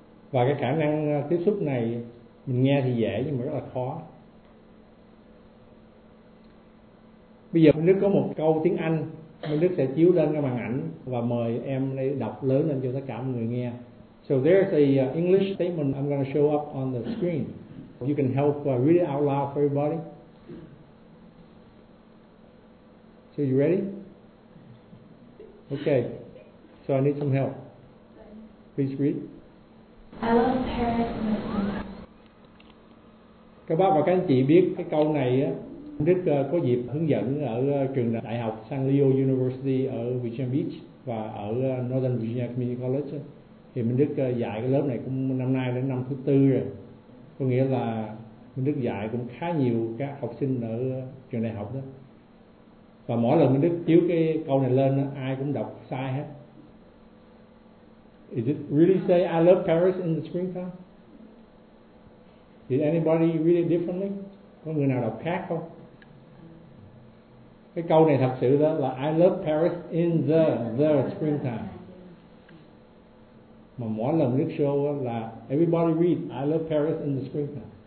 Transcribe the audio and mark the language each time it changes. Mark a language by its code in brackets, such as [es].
[vi] Và cái khả năng tiếp xúc này mình nghe thì dễ nhưng mà rất là khó. Bây giờ Minh Đức có một câu tiếng Anh Minh Đức sẽ chiếu lên cái màn ảnh và mời em đi đọc lớn lên cho tất cả mọi người nghe. [en] So there's the English statement I'm going to show up on the screen. You can help read it out loud for everybody. So you ready? Okay. So I need some help. Please read. I love Paris and my home. [vi] Các bác và các anh chị biết cái câu này á, anh Đức có dịp hướng dẫn ở trường đại học San Leo University ở Virginia Beach và ở Northern Virginia Community College. Thì Minh Đức dạy cái lớp này cũng năm nay đến năm thứ tư rồi. Có nghĩa là Minh Đức dạy cũng khá nhiều các học sinh ở trường đại học đó. Và mỗi lần Minh Đức chiếu cái câu này lên, ai cũng đọc sai hết. [en] Is it really say I love Paris in the springtime? Did anybody read it differently? [vi] Có người nào đọc khác không? Cái câu này thật sự đó là [en] I love Paris in the springtime. [vi] Mà mỗi lần Đức show là [en] everybody read I love Paris in the springtime.